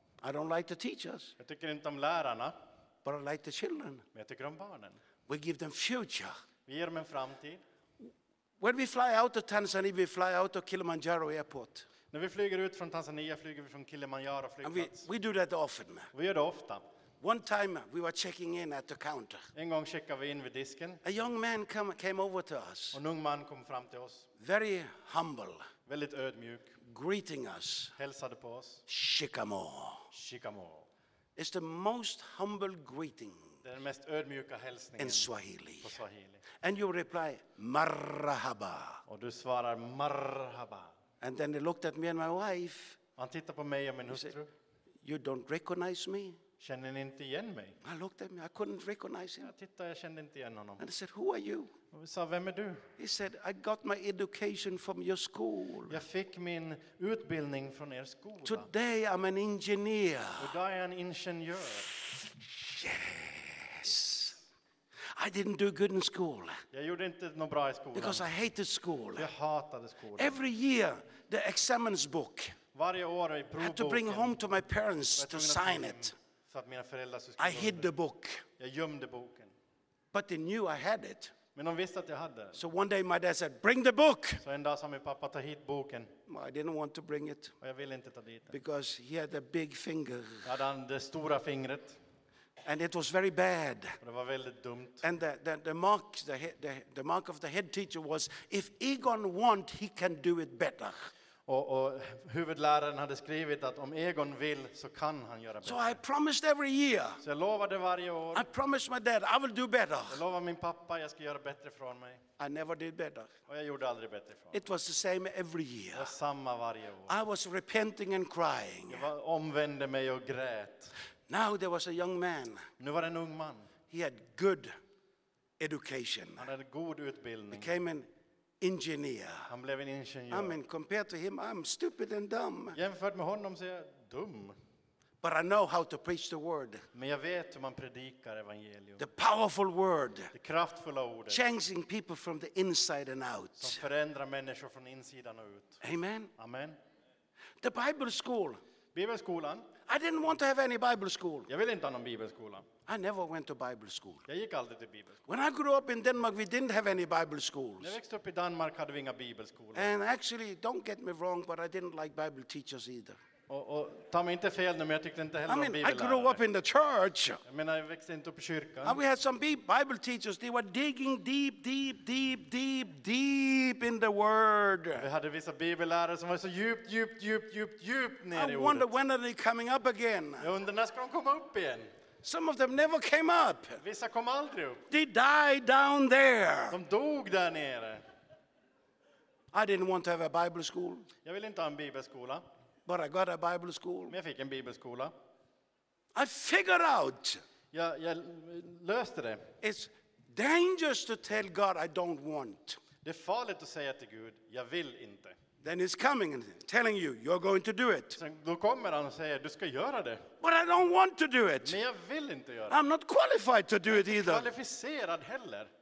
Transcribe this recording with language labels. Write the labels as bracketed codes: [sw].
[en] I don't like the teachers. [sv] Jag tycker inte om lärarna. [en] But I like the children. [sv] Men jag tycker om barnen. [en] We give them future. [sv] Vi ger dem en framtid. [en] When we fly out of Tanzania, we fly out of Kilimanjaro Airport. [sv] När vi flyger ut från Tanzania flyger vi från Kilimanjaro flygplats. [en] We do that often. [sv] Vi gör det ofta. [en] One time we were checking in at the counter. [sv] En gång checkade vi in vid disken. [en] A young man came over to us. [sv] En ung man kom fram till oss. [en] Very humble. [sv] Väldigt ödmjuk. [en] Greeting us. [sv] Hälsade på oss. [en] Shikamoo. It's the most humble greeting. [sv] Den mest ödmjuka hälsningen. [en] In Swahili. [sv] På Swahili. [en] And you reply marhaba. [sv] Och du svarar marhaba. [en] And then he looked at me and my wife. [sv] Han tittade på mig och min hustru. [en] You don't recognize me? [sv] Känner ni inte igen mig? [en] I looked at me. I couldn't recognize him. [sv] Jag tittade, jag kände inte igen honom. [en] And I said, "Who are you?" [sv] Och vi sa, "Vem är du?" [en] He said, "I got my education from your school." [sv] Jag fick min utbildning från er skola. [en] Today I'm an engineer. [sv] Idag är jag en ingenjör. [en] Yes. I didn't do good in school. [sv] Jag gjorde inte något bra i skolan. [en] Because I hated school. [sv] Jag hatade skolan. [en] Every year the examens book. [sv] Varje år i provboken. [en] I had to bring home to my parents to sign it. [sv] Så att mina föräldrar skulle skriva. [en] I hid the book. [sv] Jag gömde boken. [en] But they knew I had it. [sv] Men de visste att jag hade det. [en] So one day my dad said, "Bring the book." [sv] Så en dag sa min pappa, "Ta hit boken." [en] I didn't want to bring it. [sv] Och jag ville inte ta dit den. [en] Because he had a big finger. [sv] Jag hade det stora fingret. [en] And it was very bad. [sv] Och det var väldigt dumt. [en] And the mark of the head teacher was, "If Egon want, he can do it better." [sv] Och huvudläraren hade skrivit att om Egon vill så kan han göra bättre. [en] So I promised every year. [sv] Så jag lovade varje år. [en] I promised my dad I will do better. [sv] Jag lovade min pappa jag ska göra bättre från mig. [en] I never did better. [sv] Och jag gjorde aldrig bättre från. [en] It was the same every year. [sv] Det var samma varje år. [en] I was repenting and crying. [sv] Jag omvände mig och grät. [en] Now there was a young man. [sv] Nu var det en ung man. [en] He had good education. [sv] Han hade god utbildning. [en] Became an engineer. [sv] Han blev en ingenjör. [en] I mean, compared to him, I'm stupid and dumb. [sv] Jämfört med honom så är jag dum. [en] But I know how to preach the word. [sv] Men jag vet hur man predikar evangelium. [en] The powerful word. [sv] Det kraftfulla ordet. [en] Changing people from the inside and out. [sv] Som förändrar människor från insidan och ut. [en] Amen. [sv] Amen. [en] The Bible school. [sv] Bibelskolan. [en] I didn't want to have any Bible school. [sv] Jag ville inte ha någon bibelskola. [en] I never went to Bible school. [sv] Jag gick aldrig till bibelskolan. [en] When I grew up in Denmark, we didn't have any Bible schools. [sv] När jag växte upp i Danmark hade vi inga bibelskolor. [en] And actually, don't get me wrong, but I didn't like Bible teachers either. [sv] Och ta mig inte fel nu, men jag tyckte inte heller om bibellärare. [en] I grew up in the church. [sv] Men jag växte inte upp i kyrkan. [en] And we had some Bible teachers. They were digging deep, deep, deep, deep, deep in the word. [sv] Vi hade vissa bibellärare som var så djupt, djupt, djupt, djupt, djupt ner i ordet. [en] I wonder when are they coming up again? [sv] Jag undrar när ska de komma upp igen? [en] Some of them never came up. [sv] Vissa kom aldrig upp. [en] They died down there. [sv] De dog där nere. [en] I didn't want to have a Bible school. [sv] Jag ville inte ha en bibelskola. [en] But I got a Bible school. [sv] Men jag fick en bibelskola. [en] I figured out. [sv] Jag löste det. [en] It's dangerous to tell God I don't want. [sv] Det är farligt att säga till Gud, jag vill inte. [en] Then he's coming and telling you, you're going to do it. [sv] Sen då kommer han och säger, du ska göra det. [en] But I don't want to do it. [sv] Men jag vill inte göra det. [en] I'm not qualified to do it either. [sv] Jag är inte kvalificerad heller.